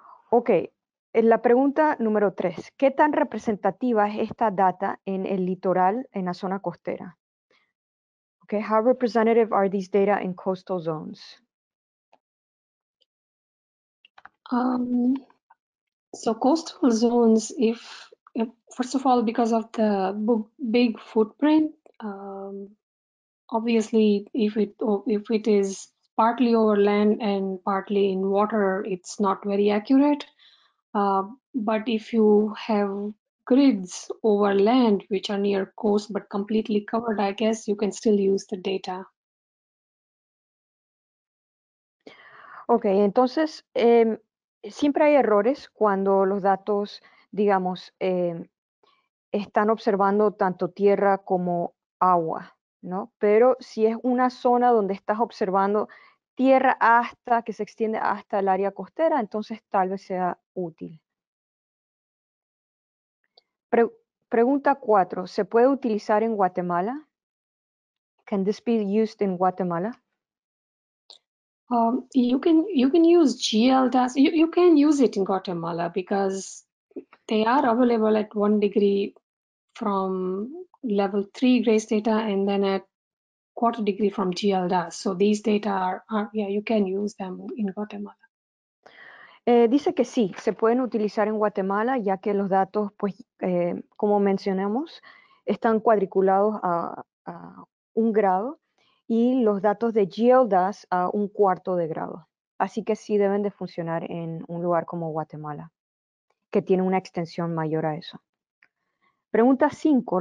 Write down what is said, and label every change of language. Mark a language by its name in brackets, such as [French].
[Spanish] Ok. En la pregunta número 3, ¿qué tan representativa es esta data en el litoral, en la zona costera? [English] Okay, how representative are these data in coastal zones? So coastal zones, first of all, because of the big footprint, obviously, if it is partly over land and partly in water, it's not very accurate. But if you have grids over land which are near coast but completely covered, I guess you can still use the data. [Spanish] Okay, entonces siempre hay errores cuando los datos, digamos, están observando tanto tierra como agua, ¿no? Pero si es una zona donde estás observando tierra hasta que se extiende hasta el área costera, entonces tal vez sea útil. Pregunta 4. ¿Se puede utilizar en Guatemala? [English] Can this be used in Guatemala? You can use GLDAS. You can use it in Guatemala because they are available at 1 degree from level 3 GRACE data and then at quarter degree from GLDAS. So these data you can use them in Guatemala. [Spanish] Dice que sí, se pueden utilizar en Guatemala, ya que los datos, pues, como mencionamos, están cuadriculados a un grado y los datos de GLDAS a un cuarto de grado. Así que sí deben de funcionar en un lugar como Guatemala, que tiene una extensión mayor a eso. Pregunta 5.